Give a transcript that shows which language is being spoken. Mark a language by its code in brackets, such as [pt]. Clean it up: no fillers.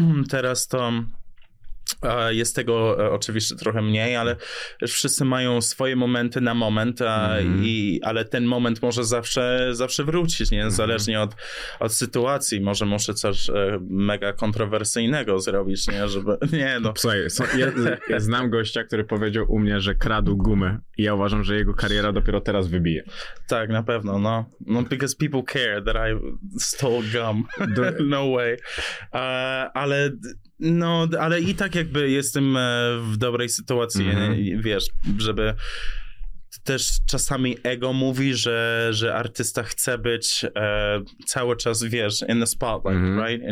[pl] Teraz to jest tego oczywiście trochę mniej, ale wszyscy mają swoje momenty na moment, ale ten moment może zawsze wrócić, nie? Zależnie od sytuacji. Może muszę coś mega kontrowersyjnego zrobić, nie? Żeby... Nie, no. Słuchaj, ja znam gościa, który powiedział u mnie, że kradł gumę i ja uważam, że jego kariera dopiero teraz wybije. Tak, na pewno, no. [en] No, because people care that I stole gum. No way. [pl] Ale... No, ale i tak jakby jestem w dobrej sytuacji, wiesz, żeby też czasami ego mówi, że artysta chce być cały czas, wiesz, [en] in the spotlight, right?